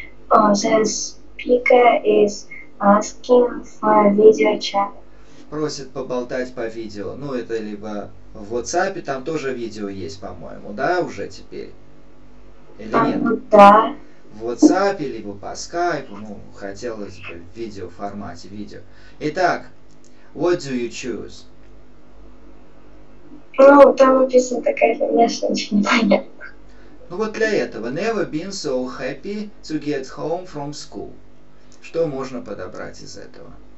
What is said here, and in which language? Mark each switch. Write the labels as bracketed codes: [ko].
[en] The speaker is asking for a video chat. [ru] Просит поболтать по видео. Ну, это либо в WhatsApp, там тоже видео есть, по-моему, да, уже теперь? Или нет? Да. В WhatsApp, либо по Skype, ну, хотелось бы в видеоформате, видео. Итак, [en] what do you choose? [ru] Ну, там написано такая, конечно, очень непонятно. Ну, вот для этого. [en] Never been so happy to get home from school. [ru] Что можно подобрать из этого?